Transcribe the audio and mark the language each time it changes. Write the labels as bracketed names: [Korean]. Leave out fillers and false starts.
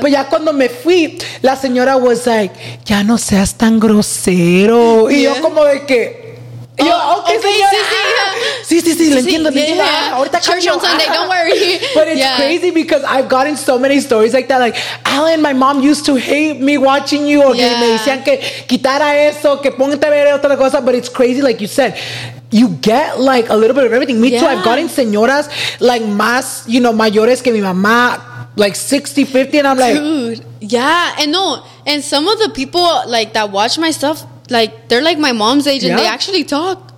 [Spanish] But ya cuando me fui, la señora [English] was like, [Spanish] ya no seas tan grosero. Y yeah. yo como de que, Y yo, okay, sí, le entiendo. Ahorita [English] church on Sunday, don't worry. But it's crazy because I've gotten so many stories like that. Like, Alan, my mom used to hate me watching you. [Spanish] Okay, me decían que quitara eso, que ponte a ver otra cosa. [English] But it's crazy, like you said. You get like a little bit of everything. Me too. I've gotten señoras like más, you know, [Spanish] mayores que mi mamá, [English] like 60, 50. And I'm like, dude, yeah. And no, and some of the people like that watch my stuff, like they're like my mom's age and they actually talk.